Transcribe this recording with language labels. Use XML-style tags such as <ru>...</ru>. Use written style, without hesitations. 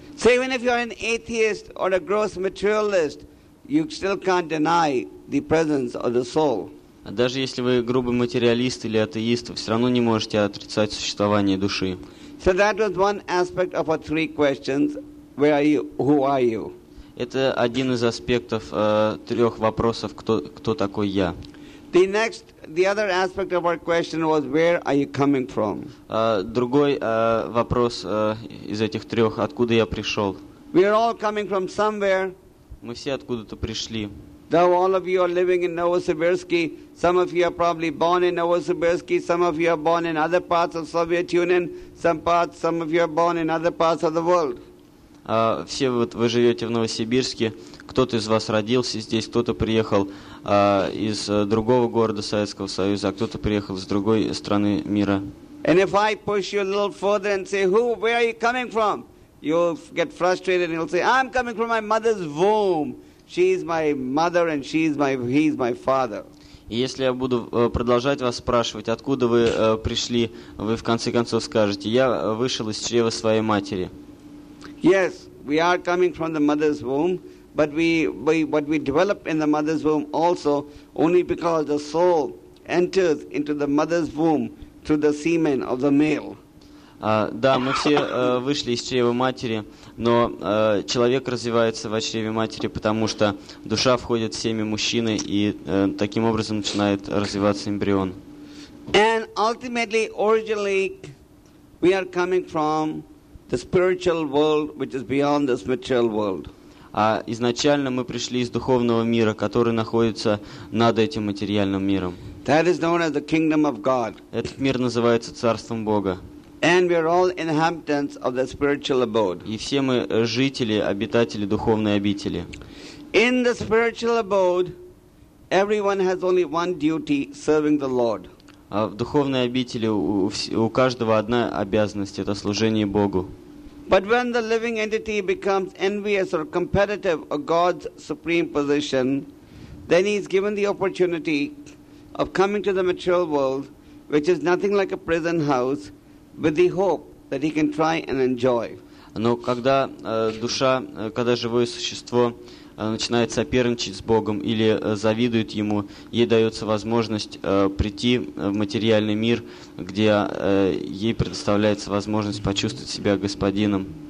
<en>So even if you're an atheist or a gross materialist, you still can't deny the presence of the soul.</en> <ru>Даже если вы грубый материалист или атеист, вы все равно не можете отрицать существование души.</ru> <en>So that was one aspect of our three questions: where are you? Who are you?</en> <ru>Это один из аспектов трех вопросов: кто такой я?</ru> <en>The other aspect of our question was: where are you coming from?</en> <ru>Другой вопрос из этих трех: откуда я пришел?</ru> <en>We are all coming from somewhere.</en> <ru>Мы все откуда-то пришли.</ru> <en>Though all of you are living in Novosibirsk, some of you are probably born in Novosibirsk, some of you are born in other parts of Soviet Union, some of you are born in other parts of the world.</en> <ru>Все вот вы живете в Новосибирске, кто-то из вас родился здесь, кто-то приехал из другого города Советского Союза, а кто-то приехал из другой страны мира.</ru> <en>And if I push you a little further and say, where are you coming from? You'll get frustrated and you'll say, I'm coming from my mother's womb. She's my mother and he's my father.</en> <ru>Если я буду продолжать вас спрашивать, откуда вы пришли, вы в конце концов скажете, я вышел из чрева своей матери.</ru> <en>Yes, we are coming from the mother's womb, but we develop in the mother's womb also only because the soul enters into the mother's womb through the semen of the male.</en> <ru>Да, мы все вышли из чрева матери, но человек развивается в чреве матери, потому что душа входит в семя мужчины, и таким образом начинает развиваться эмбрион.</ru> <en>And ultimately, originally, we are coming from the spiritual world, which is beyond this material world.</en> <ru>Изначально мы пришли из духовного мира, который находится над этим материальным миром.</ru> <en>That is known as the kingdom of God.</en> <ru>Этот мир называется царством Бога.</ru> <en>And we are all inhabitants of the spiritual abode.</en> <ru>И все мы жители, обитатели духовной обители.</ru> <en>In the spiritual abode, everyone has only one duty: serving the Lord.</en> <ru>В духовной обители у каждого одна обязанность – это служение Богу.</ru> <en>But when the living entity becomes envious or competitive of God's supreme position, then he is given the opportunity of coming to the material world, which is nothing like a prison house, with the hope that he can try and enjoy.</en> <ru>Но когда душа, когда живое существо начинает соперничать с Богом или завидует ему, ей дается возможность прийти в материальный мир, где ей предоставляется возможность почувствовать себя господином.</ru>